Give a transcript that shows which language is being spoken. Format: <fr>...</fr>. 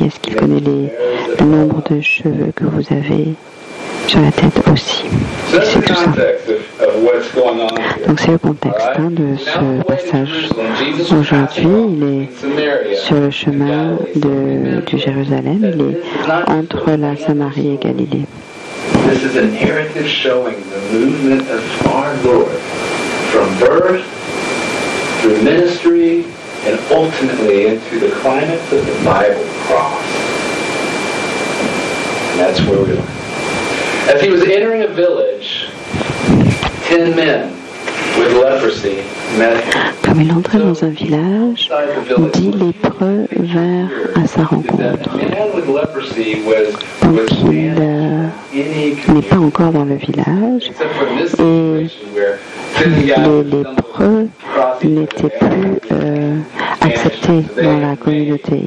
<fr>Est-ce qu'il connaît le nombre de cheveux que vous avez sur la tête aussi? C'est tout ça. Donc c'est le contexte hein, de ce passage. Aujourd'hui, il est sur le chemin de Jérusalem. Il est entre la Samarie et Galilée.</fr> <en>This is an narrative showing the movement of our Lord from birth through ministry and ultimately into the climax of the Bible cross. And that's where we are. As he was entering a village, 10 men with leprosy.</en> <fr>Comme il entrait dans un village, dix lépreux vinrent à sa rencontre. Donc il n'est pas encore dans le village, et les lépreux n'étaient plus acceptés dans la communauté.</fr>